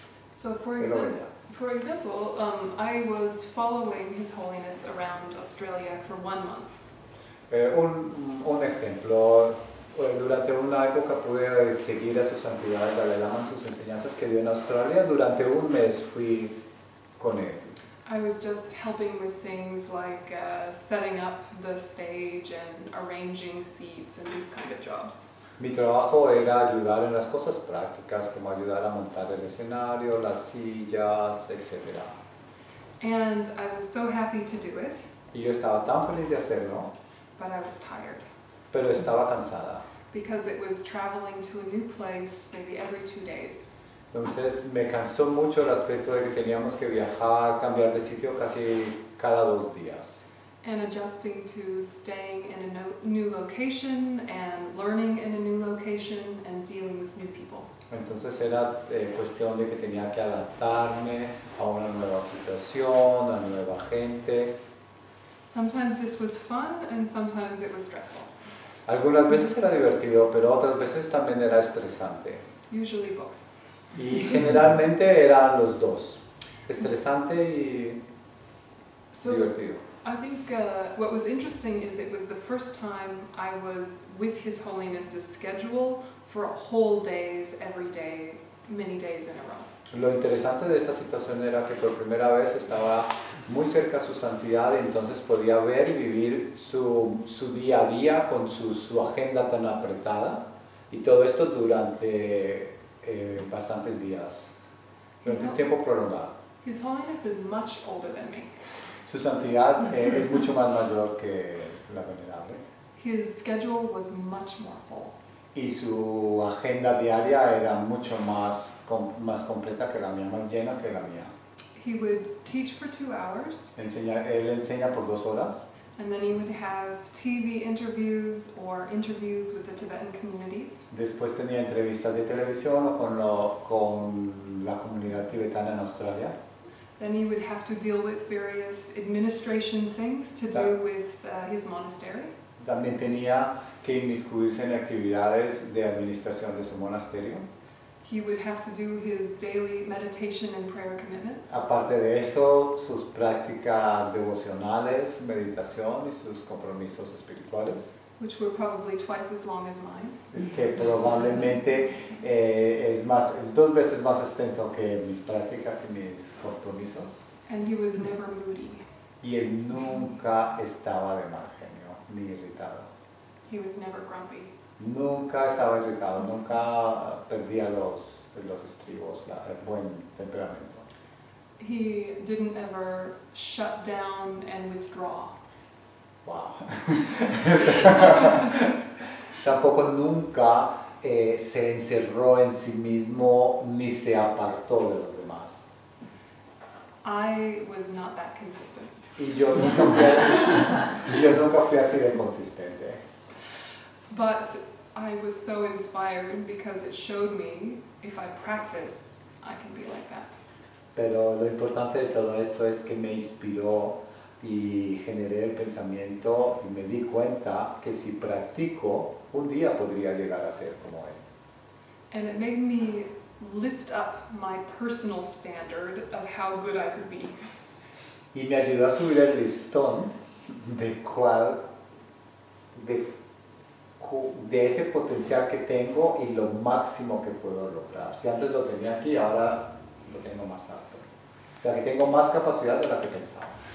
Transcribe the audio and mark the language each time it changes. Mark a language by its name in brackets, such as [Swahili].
[English] So, for example, I was following His Holiness around Australia for 1 month. [Spanish] Un ejemplo, durante una época pude seguir a su santidad Dalai Lama, sus enseñanzas que dio en Australia. Durante un mes fui con él. [English] I was just helping with things like setting up the stage and arranging seats and these kind of jobs. [Spanish] Mi trabajo era ayudar en las cosas prácticas, como ayudar a montar el escenario, las sillas, etc. [English] And I was so happy to do it. [Spanish] Y yo estaba tan feliz de hacerlo. [English] But I was tired. [Spanish] Pero estaba cansada. [English] Because it was traveling to a new place maybe every 2 days. [Spanish] Entonces me cansó mucho el aspecto de que teníamos que viajar, cambiar de sitio casi cada 2 días. [English] And adjusting to staying in a new location and learning in a new location and dealing with new people. [Spanish] Entonces era cuestión de que tenía que adaptarme a una nueva situación, a nueva gente. [English] Sometimes this was fun and sometimes it was stressful. [Spanish] Algunas veces era divertido, pero otras veces también era estresante. [English] Usually both. [Spanish] Y generalmente eran los dos, estresante y divertido. [English] I think what was interesting is it was the first time I was with His Holiness's schedule for whole days, every day, many days in a row. [Spanish] Lo interesante de esta situación era que por primera vez estaba muy cerca a su santidad y entonces podía ver y vivir su día a día con su agenda tan apretada y todo esto durante bastantes días, durante un tiempo prolongado. [English] His Holiness is much older than me. [Spanish] Su santidad es mucho más mayor que la venerable. [English] His schedule was much more full. [Spanish] Y su agenda diaria era mucho más completa que la mía, más llena que la mía. [English] He would teach for 2 hours. [Spanish] Él enseña por 2 horas. [English] And then he would have TV interviews or interviews with the Tibetan communities. [Spanish] Después tenía entrevistas de televisión o con la comunidad tibetana en Australia. [English] Then he would have to deal with various administration things to do with his monastery. [Spanish] También tenía que inmiscuirse en actividades de administración de su monasterio. [English] He would have to do his daily meditation and prayer commitments. [Spanish] Aparte de eso, sus prácticas devocionales, meditación y sus compromisos espirituales. [English] Which were probably twice as long as mine. [Spanish] Que probablemente es 2 veces más extenso que mis prácticas y mis compromisos. [English] And he was never moody. [Spanish] Y él nunca estaba de mal genio, ni irritado. [English] He was never grumpy. [Spanish] Nunca estaba irritado, nunca perdía los estribos, el buen temperamento. [English] He didn't ever shut down and withdraw. Wow. [Spanish] Tampoco nunca se encerró en sí mismo ni se apartó de los demás. [English] I was not that consistent. [Spanish] Y yo nunca fui así de consistente. [English] But I was so inspired because it showed me if I practice, I can be like that. [Spanish] Pero lo importante de todo esto es que me inspiró y generé el pensamiento y me di cuenta que si practico, un día podría llegar a ser como él. [English] And it made me lift up my personal standard of how good I could be. [Spanish] Y me ayudó a subir el listón de ese potencial que tengo y lo máximo que puedo lograr. Si antes lo tenía aquí, ahora lo tengo más alto. O sea, que tengo más capacidad de la que pensaba.